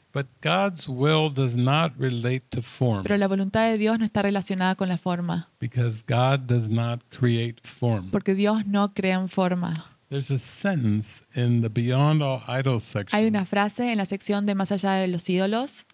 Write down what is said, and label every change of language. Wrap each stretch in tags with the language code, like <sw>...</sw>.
<en>But God's will does not relate to form.</en> <es>Pero la voluntad de Dios no está relacionada con la forma.</es> <en>Because God does not create form.</en> <es>Porque Dios no crea en forma.</es> <en>There's a sentence in the Beyond All Idols section.</en> <es>Hay una frase en la sección de Más allá de los ídolos.</es>